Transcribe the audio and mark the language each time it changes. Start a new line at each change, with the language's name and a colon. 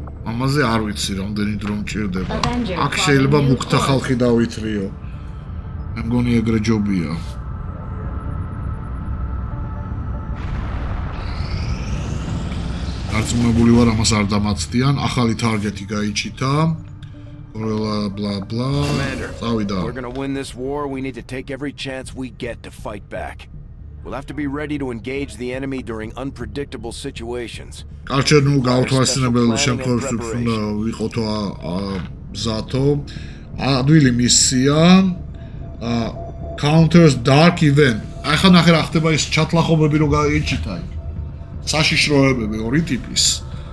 Georgian: ამაზე არ ვიცი, რამდენი დრო მჭირდება. აქ შეიძლება მუქთა ხალხი დავითრიო. მე მგონი ეგრე ჯობია. არწმუნებული ვარ, ამას არ დამაცდიან. ახალი ტარგეტი გაიჭითა. ყველა ბლა ბლა. წავიდა.
English: We're going to win this war. We need to take every chance we get to fight back. We'll have to be ready to engage the enemy during unpredictable situations.
Georgian: კარჩენუ გაუთვალისწინებელ შემთხვევებს უნდა ვიყოთ მზათო. ადვილი მისია.
English: Counters dark event.
Georgian: ახლა ნახე რა ხდება ის ჩათლახობები რო გაიჭითა. საშიშროებები ორი ტიპის.